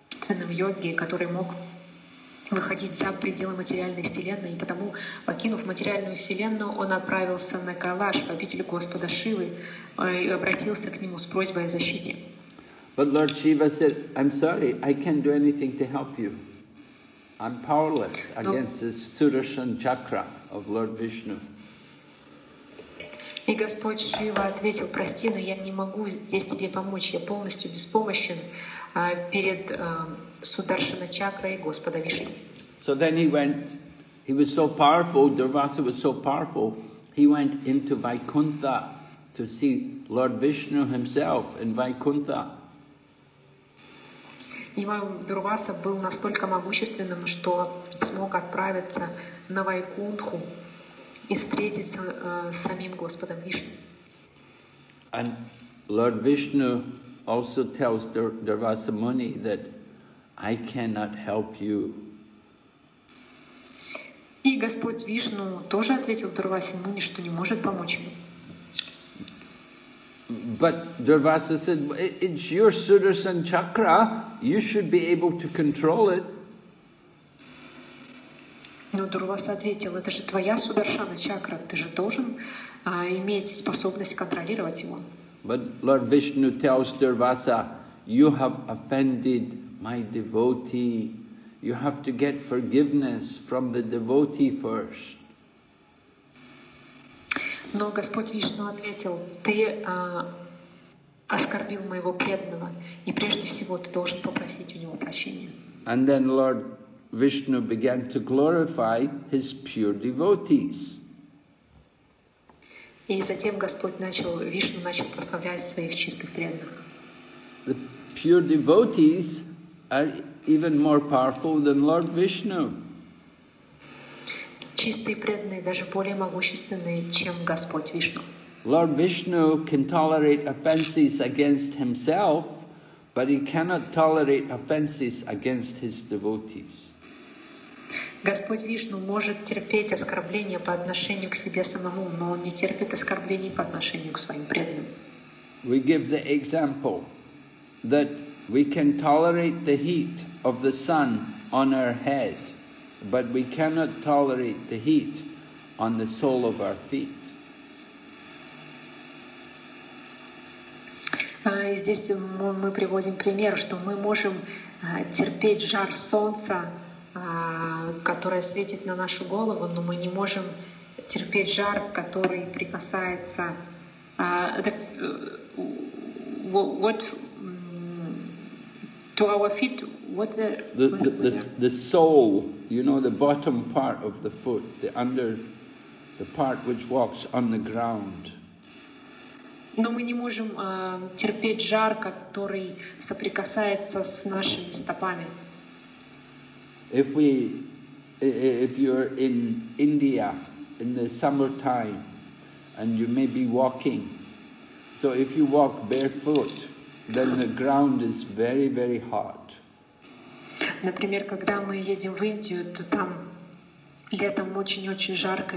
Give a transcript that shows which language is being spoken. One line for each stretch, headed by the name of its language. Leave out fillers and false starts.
Russian: Очень йоги, который мог выходить за пределы материальной вселенной, и потому, покинув материальную вселенную, он отправился на Кайлаш, в обитель Господа Шивы, и обратился к нему с просьбой о защите.
English: But Lord Shiva said, I'm sorry, I can't do anything to help you. I'm powerless against this Sudarshan Chakra of Lord Vishnu.
Russian: И Господь Шива ответил, прости, но я не могу здесь тебе помочь, я полностью беспомощен перед Сударшана Чакрой Господа Вишну.
English: So then he went, he was so powerful, Дурваса was so powerful, he went into Vaikuntha to see Lord Vishnu himself in Vaikuntha.
Russian: И Дурваса был настолько могущественным, что смог отправиться на Вайкунтху и встретиться с самим Господом Вишну.
English: And Lord Vishnu also tells Дурваса Муни that I cannot help you.
Russian: И Господь Вишну тоже ответил Дурвасе Муни, что не может помочь ему.
English: But Дурваса said, it's your Sudarshan Chakra, you should be able to control it.
Russian: Но Дурваса ответил, это же твоя Сударшана Чакра, ты же должен иметь способность контролировать его.
English: But Lord Vishnu tells Дурваса, you have offended my devotee, you have to get forgiveness from the devotee first.
Russian: Но Господь Вишну ответил, ты оскорбил моего преданного, и прежде всего ты должен попросить у него прощения.
English: And then Lord Vishnu began to glorify his pure devotees.
Russian: И затем Господь начал, Вишну начал прославлять своих чистых преданных.
English: The pure devotees are even more powerful than Lord Vishnu.
Russian: Чистые преданные даже более могущественные, чем Господь Вишну.
English: Lord Vishnu can tolerate offenses against himself, but he cannot tolerate offenses against his devotees.
Russian: Господь Вишну может терпеть оскорбления по отношению к себе самому, но он не терпит оскорблений по отношению к своим преданным.
English: We give the example that we can tolerate the heat of the sun on our head. But we cannot tolerate the heat on the sole of our feet.
Russian: Здесь мы приводим пример, что мы можем терпеть жар солнца, которое светит на нашу голову, но мы не можем терпеть жар, который прикасается.
English: To our feet, what the sole, you know, the bottom part of the foot, the under, the part which walks on the ground.
Russian: Но мы не можем терпеть жар, который соприкасается с нашими стопами.
English: If you're in India in the summer time, and you may be walking, so if you walk barefoot, then the ground is very, very hot.
Russian: Например, когда мы едем в Индию, то там летом очень-очень жарко.